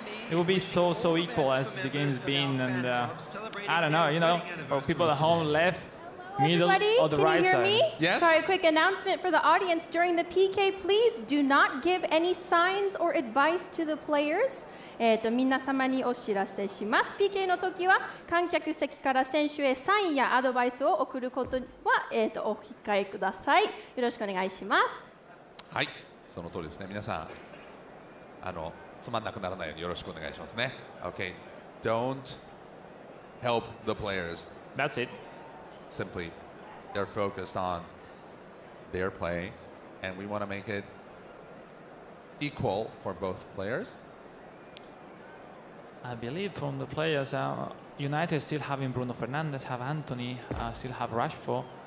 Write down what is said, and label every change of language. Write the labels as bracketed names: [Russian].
[English] It will be so equal as the game's been, and I don't know, you know, for people at home, left, middle, or the right side. Can you hear me? Yes. Sorry, a quick announcement for the audience. During the PK, please do not give any signs or advice to the players. [Japanese] PK の時は観客席から選手へサインやアドバイスを送ることはお控えください。よろしくお願いします。はい、その通りですね。皆さん、つまんなくならないようによろしくお願いしますね。 [English] Okay. Don't help the players. That's it. Simply, they're focused on their play, and we want to make it equal for both players. I believe from the players, United still having Bruno Fernandes, have Anthony, still have Rashford.